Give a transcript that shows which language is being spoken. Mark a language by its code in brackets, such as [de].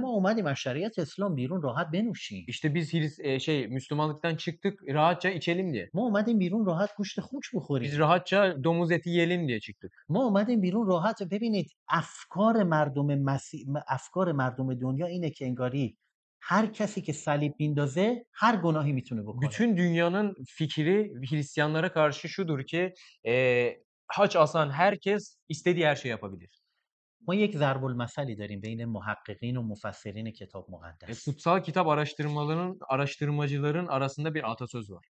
[fa] ما اومدیم از شریعت اسلام بیرون راحت بنوشیم [tr] işte biz müslümanlıktan çıktık rahatça içelim diye [fa] ما اومدیم بیرون راحت گوشت خوک بخوریم [tr] biz rahatça domuz eti yiyelim diye çıktık [fa] ما اومدیم بیرون راحت ببینید افکار مردم مسیح افکار مردم دنیا اینه که انگاری هر کسی که صلیب میندازه هر گناهی میتونه بکنه. [tr] bütün dünyanın fikri Hristiyanlara karşı şudur ki haç asan herkes istediği her şeyi yapabilir. [fa] ما یک ضرب المثلی داریم بین محققین و مفسرین کتاب مقدس. [tr] kutsal kitap araştırmalarının araştırmacıların arasında bir atasöz var.